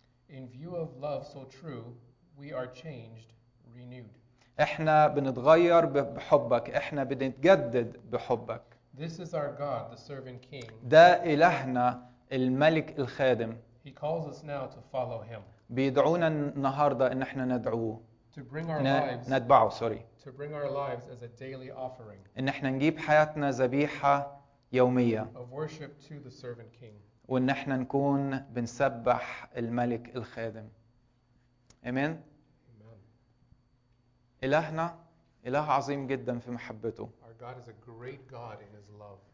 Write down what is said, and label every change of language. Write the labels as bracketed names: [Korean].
[English] In view of love so true, we are changed, renewed. [Arabic] احنا بنتغير بحبك، احنا بنتجدد بحبك. [English] This is our God, the servant king. [Arabic] ده إلهنا الملك الخادم. [English] He calls us now to follow him. [Arabic] بيدعونا النهاردة ان احنا ندعوه. [English] To bring our lives. [Arabic] نتبعه، سوري. [English] To bring our lives as a daily offering. [Arabic] ان احنا نجيب حياتنا ذبيحة يومية. [English] Of worship to the servant king. [Arabic] وإن إحنا نكون بنسبح الملك الخادم. آمين. إلهنا إله عظيم جدا في محبته. [English] Our God is a great God in his love.